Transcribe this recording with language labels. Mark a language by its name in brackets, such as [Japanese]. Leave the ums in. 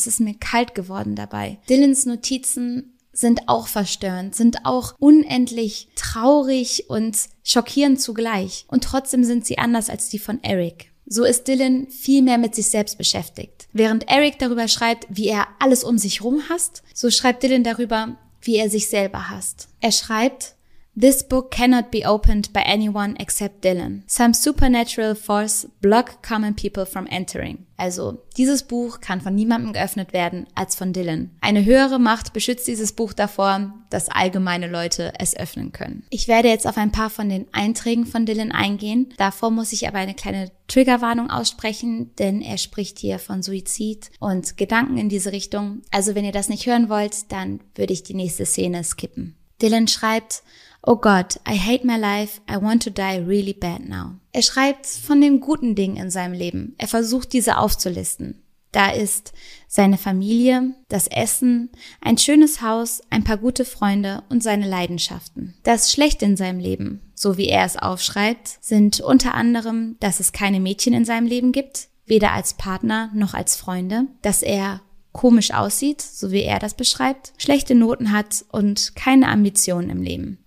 [German] Es ist mir kalt geworden dabei. Dylans Notizen sind auch verstörend, sind auch unendlich traurig und schockierend zugleich. Und trotzdem sind sie anders als die von Eric. So ist Dylan viel mehr mit sich selbst beschäftigt. Während Eric darüber schreibt, wie er alles um sich rum hasst, so schreibt Dylan darüber, wie er sich selber hasst. Er schreibt, [English] This book cannot be opened by anyone except Dylan. Some supernatural force block common people from entering. [German] Also, dieses Buch kann von niemandem geöffnet werden als von Dylan. Eine höhere Macht beschützt dieses Buch davor, dass allgemeine Leute es öffnen können. Ich werde jetzt auf ein paar von den Einträgen von Dylan eingehen. Davor muss ich aber eine kleine Triggerwarnung aussprechen, denn er spricht hier von Suizid und Gedanken in diese Richtung. Also, wenn ihr das nicht hören wollt, dann würde ich die nächste Szene skippen. [English] Dylan [German] schreibt, Oh Gott, [English] I hate my life, I want to die really bad now. [German] Er schreibt von den guten Dingen in seinem Leben. Er versucht diese aufzulisten. Da ist seine Familie, das Essen, ein schönes Haus, ein paar gute Freunde und seine Leidenschaften. Das Schlechte in seinem Leben, so wie er es aufschreibt, sind unter anderem, dass es keine Mädchen in seinem Leben gibt, weder als Partner noch als Freunde, dass er komisch aussieht, so wie er das beschreibt, schlechte Noten hat und keine Ambitionen im Leben.